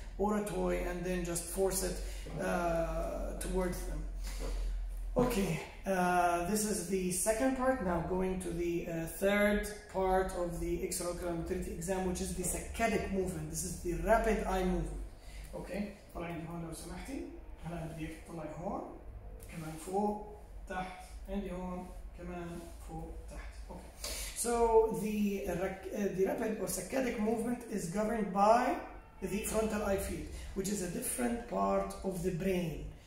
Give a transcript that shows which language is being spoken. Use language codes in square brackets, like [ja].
[en] or a toy and then just force it towards them. Okay, this is the second part. Now going to the third part of the extraocular motility exam, which is the saccadic movement. This is the rapid eye movement. Okay, [ar] طلعين هون لو سمحتي. هلا بديك تطلعي هون كمان فوق تحت عندي هون كمان فوق تحت. [en] Okay. So the rapid or saccadic movement is governed by the frontal eye field, which is a different part of the brain.